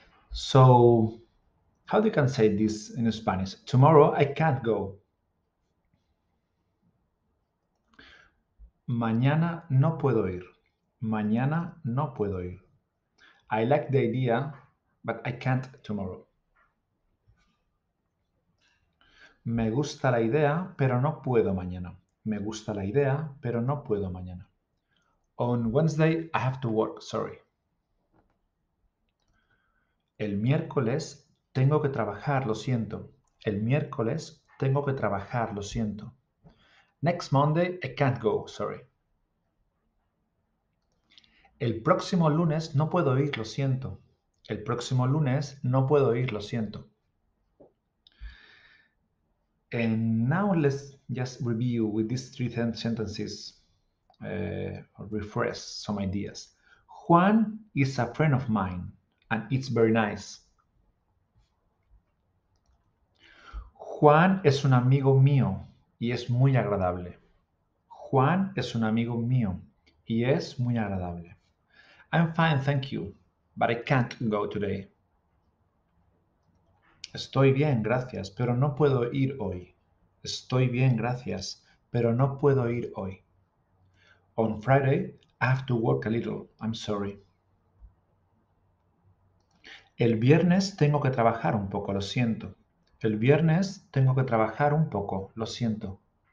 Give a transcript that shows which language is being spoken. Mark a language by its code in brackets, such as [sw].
[en] So how do you can say this in Spanish? Tomorrow I can't go. [es] Mañana no puedo ir. Mañana no puedo ir. [en] I like the idea, but I can't tomorrow. [es] Me gusta la idea, pero no puedo mañana. Me gusta la idea, pero no puedo mañana. [en] On Wednesday, I have to work, sorry. [es] El miércoles tengo que trabajar, lo siento. El miércoles tengo que trabajar, lo siento. [en] Next Monday, I can't go, sorry. [es] El próximo lunes no puedo ir, lo siento. El próximo lunes no puedo ir, lo siento. [en] And now let's just review with these 3 sentences. Refresh some ideas. Juan is a friend of mine and it's very nice. [es] Juan es un amigo mío y es muy agradable. Juan es un amigo mío y es muy agradable. [en] I'm fine, thank you, but I can't go today. [es] Estoy bien, gracias, pero no puedo ir hoy. Estoy bien, gracias, pero no puedo ir hoy. [en] On Friday, I have to work a little. I'm sorry. [es] El viernes tengo que trabajar un poco, lo siento. El viernes tengo que trabajar un poco, lo siento.